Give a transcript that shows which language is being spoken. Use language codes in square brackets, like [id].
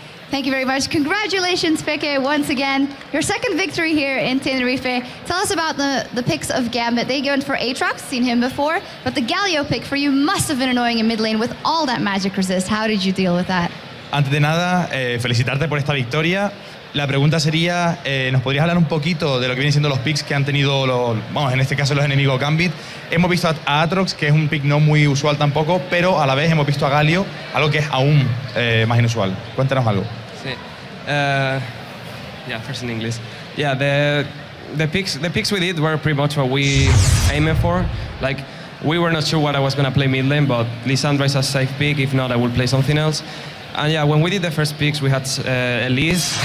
[en] Thank you very much. Congratulations, Peke, once again. Your second victory here in Tenerife. Tell us about the picks of Gambit. They go in for Aatrox, seen him before, but the Galio pick for you must have been annoying in mid lane with all that magic resist. How did you deal with that? [es] Antes de nada, felicitarte por esta victoria. La pregunta sería, ¿nos podrías hablar un poquito de lo que vienen siendo los picks que han tenido, en este caso, los enemigos Gambit? Hemos visto a Aatrox, que es un pick no muy usual tampoco, pero a la vez hemos visto a Galio, algo que es aún más inusual. Cuéntanos algo. Sí. [en] First in English. Yeah, the picks we did were pretty much what we aimed for. Like, we were not sure what I was going to play mid lane, but Lissandra is a safe pick. If not, I would play something else. And yeah, when we did the first picks, we had Elise.